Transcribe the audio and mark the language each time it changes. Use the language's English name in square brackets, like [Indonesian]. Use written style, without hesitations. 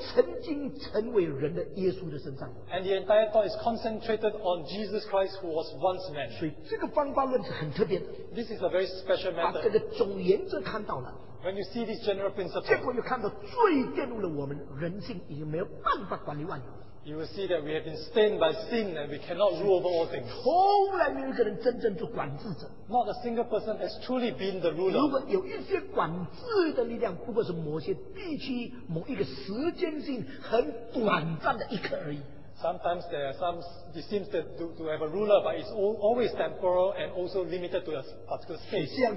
[Chinese] 所以结果呢,整个思想就集中在曾经成为人的耶稣的身上。 [English] And the entire thought is concentrated on Jesus Christ who was once man. [Chinese] 所以这个方法论是很特别的。 [English] This is a very special method. [Chinese] 把这个总原则看到了。 [English] When you see this general principle, [Chinese] 结果又看到罪玷污了我们,人性已经没有办法管理万有。 [English] You will see that we have been stained by sin and we cannot rule over all things. [Chinese] 从来没有一个人真正做管制者。 [English] Not a single person has truly been the ruler. [Chinese] 如果有一些管制的力量，不过是某些地区某一个时间性很短暂的一刻而已。 [English] Sometimes there are some, it seems to have a ruler, but it's always temporal and also limited to a particular space.